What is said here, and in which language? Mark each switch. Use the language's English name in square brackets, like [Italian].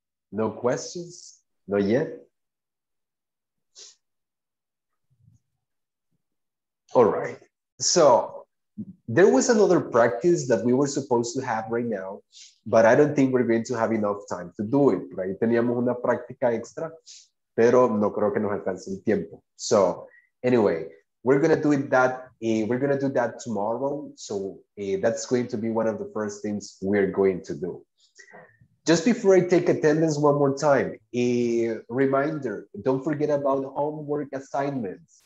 [English] No questions? Not yet? All right. So there was another practice that we were supposed to have right now, but I don't think we're going to have enough time to do it. Right? [Spanish] Teníamos una práctica extra, pero no creo que nos alcance el tiempo. [English] So anyway, we're going to do it that we're going to do that tomorrow. So that's going to be one of the first things we're going to do. Just before I take attendance one more time, a reminder, don't forget about homework assignments.